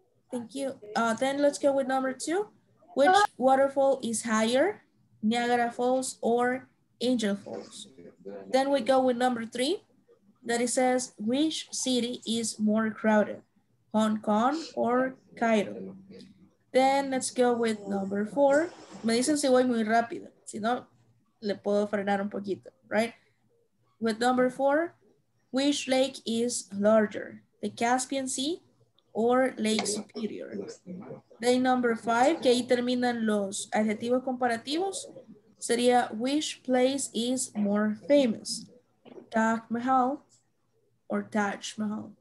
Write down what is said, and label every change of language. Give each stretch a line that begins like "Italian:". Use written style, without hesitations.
English: Thank you. Then let's go with number 2. Which waterfall is higher, Niagara Falls, or Angel Falls. Then we go with number three, that it says, which city is more crowded, Hong Kong or Cairo? Then let's go with number four.
Spanish: Me dicen si voy muy rápido, si no, le puedo frenar un poquito, right?
English: With number four, which lake is larger, the Caspian Sea or Lake Superior? Then number five,
Spanish: que ahí terminan los adjetivos comparativos, sería,
English: which place is more famous, Taj Mahal or Taj Mahal?